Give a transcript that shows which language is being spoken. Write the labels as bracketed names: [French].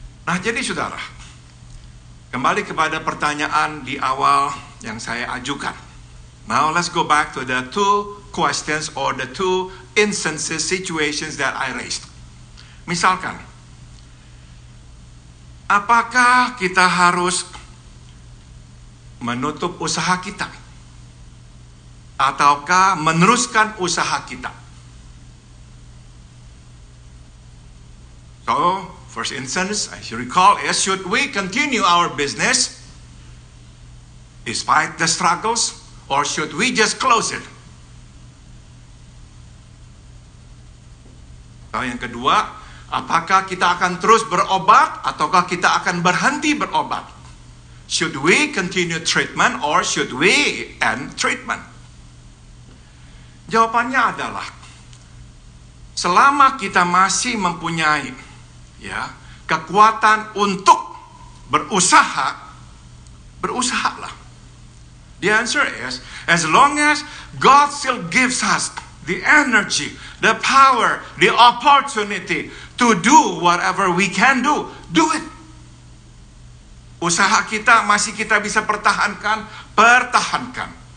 [Indonesian] Nah, jadi saudara, kembali kepada pertanyaan di awal yang saya ajukan. [English] Now let's go back to the two questions or the two instances, situations that I raised. [Indonesian] Misalkan, apakah kita harus menutup usaha kita ataukah meneruskan usaha kita? [English] So, first instance, as you recall, is should we continue our business despite the struggles, or should we just close it? [Indonesian] Nah, yang kedua, apakah kita akan terus berobat ataukah kita akan berhenti berobat? [English] Should we continue treatment or should we end treatment? [Indonesian] Jawabannya adalah, selama kita masih mempunyai ya kekuatan untuk berusaha, berusahalah. [English] The answer is, as long as God still gives us the energy, the power, the opportunity to do whatever we can do, do it. [Indonesian] Usaha kita masih kita bisa pertahankan, pertahankan.